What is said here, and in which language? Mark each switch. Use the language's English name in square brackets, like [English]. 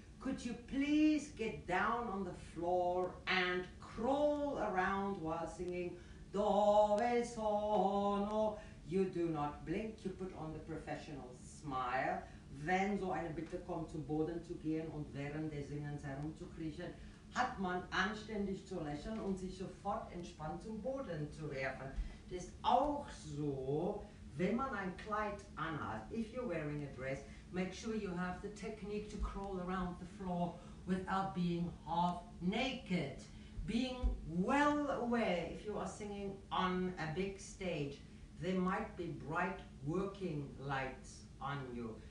[English] Could you please get down on the floor and crawl around while singing Dove sono? You do not blink, you put on the professional smile. [German] Wenn so eine Bitte kommt, zum Boden zu gehen und während des Singens herumzukriechen, hat man anständig zu lächeln und sich sofort entspannt zum Boden zu werfen. Das ist auch so. Wenn man ein Kleid anhat, [English] if you're wearing a dress, make sure you have the technique to crawl around the floor without being half naked. Being well aware, if you are singing on a big stage, there might be bright working lights on you.